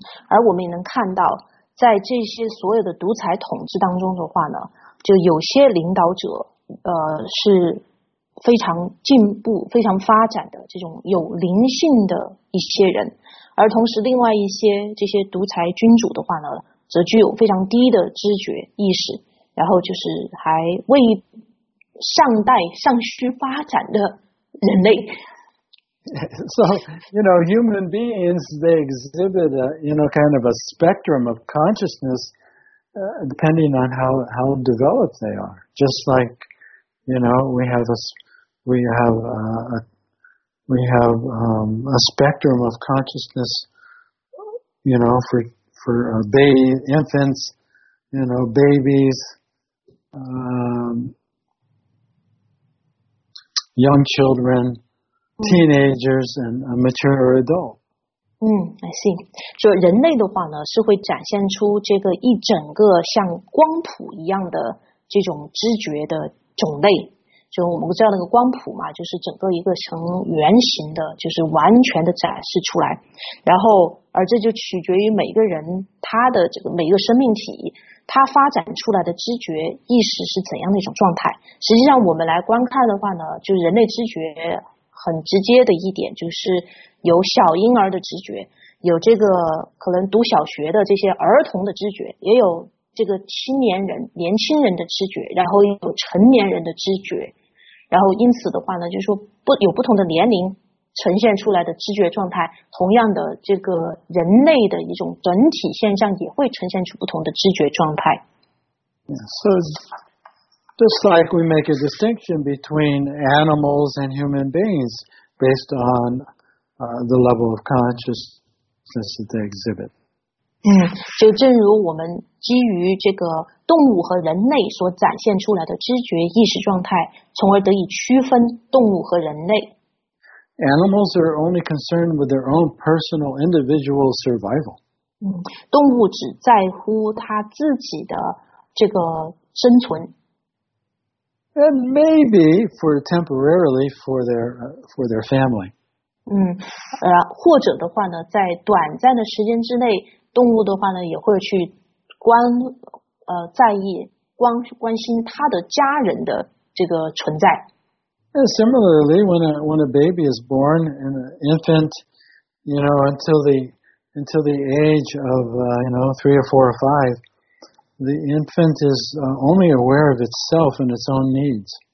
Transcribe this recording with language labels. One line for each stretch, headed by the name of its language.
Chinese: 而我们也能看到，在这些所有的独裁统治当中的话呢，就有些领导者是非常进步、非常发展的这种有灵性的一些人，而同时另外一些这些独裁君主的话呢，则具有非常低的知觉意识，然后就是还未尚待尚需发展的人类。
English: So, you know, human beings, they exhibit a, you know, kind of a spectrum of consciousness, depending on how developed they are. Just like, you know, we have a spectrum of consciousness, you know, for baby infants, you know, babies, young children, teenagers, and a mature adult. I see.
Chinese: 所以人类的话呢，是会展现出这个一整个像光谱一样的这种知觉的种类。就我们知道那个光谱嘛，就是整个一个呈圆形的，就是完全的展示出来。然后，而这就取决于每一个人他的这个每一个生命体，他发展出来的知觉意识是怎样的一种状态。实际上，我们来观看的话呢，就人类知觉很直接的一点，就是有小婴儿的知觉，有这个可能读小学的这些儿童的知觉，也有这个年轻人的知觉，然后有成年人的知觉，然后因此的话呢，就是说有不同的年龄呈现出来的知觉状态，同样的这个人类的一种整体现象也会呈现出不同的知觉状态。
English: So just like we make a distinction between animals and human beings based on the level of consciousness that they exhibit.
Chinese: 就正如我们基于这个动物和人类所展现出来的知觉意识状态，从而得以区分动物和人类。
English: Animals are only concerned with their own personal individual survival.
Chinese: 动物只在乎它自己的这个生存。
English: And maybe for temporarily for their family.
Chinese: 或者的话呢，在短暂的时间之内，动物的话呢也会去关心它的家人的这个存在。
English: And similarly, when a baby is born, an infant, you know, until the age of, you know, 3 or 4 or 5, the infant is only aware of itself and its own needs.